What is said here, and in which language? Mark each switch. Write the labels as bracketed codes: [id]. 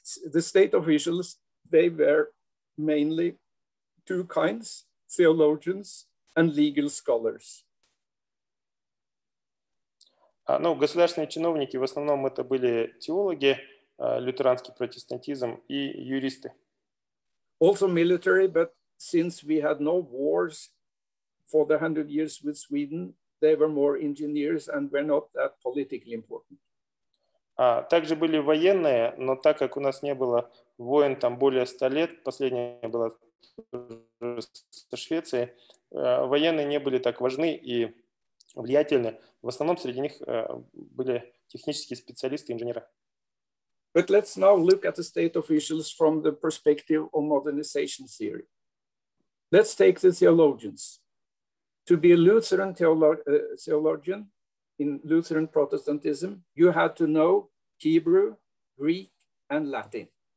[en] The state officials, they were mainly two kinds, theologians and legal scholars. [ru] Ну, государственные чиновники, в основном это были теологи, лютеранский протестантизм и юристы. [en] Also military, but since we had no wars for the 100 years with Sweden, they were more engineers and were not that politically important. [ru] Также были военные, но так как у нас не было войн там более 100 лет, последняя была со Швецией, военные не были так важны и влиятельны. В основном среди них были технические специалисты, инженеры. [en] But let's now look at the state officials from the perspective of modernization theory. Let's take the theologians. To be a Lutheran theologian in Lutheran Protestantism, you had to know Hebrew, Greek, and Latin.